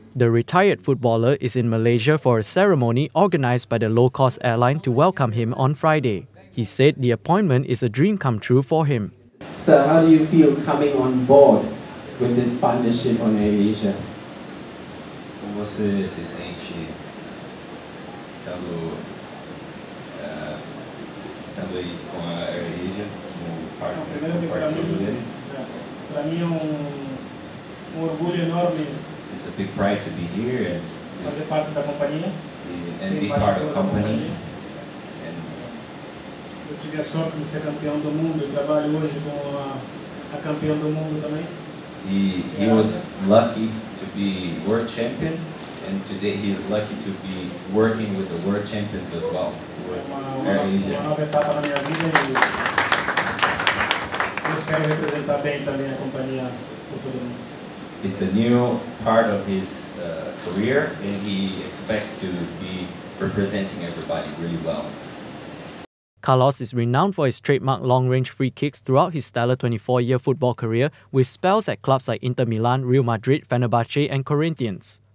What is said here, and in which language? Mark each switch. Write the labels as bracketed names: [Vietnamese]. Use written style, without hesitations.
[English] The retired footballer is in Malaysia for a ceremony organized by the low-cost airline to welcome him on Friday. He said the appointment is a dream come true for him. Sir, how do you feel coming on board with this partnership on AirAsia? [Portuguese] Como você se sente estando aí com a AirAsia, como partner deles? Para mim um orgulho enorme. [English] It's a big pride to be here and [Portuguese] fazer parte da companhia. [English] And be part of company. [Portuguese] Eu tive a sorte de ser campeão do mundo. Eu trabalho hoje com a campeã do mundo também. [English] He was lucky to be world champion, and today he is lucky to be working with the world champions as well. [Portuguese] Uma nova etapa na minha vida e eu espero representar bem também a companhia por todo mundo. [English] It's a new part of his career, and he expects to be representing everybody really well. Carlos is renowned for his trademark long-range free kicks throughout his stellar 24-year football career, with spells at clubs like Inter Milan, Real Madrid, Fenerbahce and Corinthians.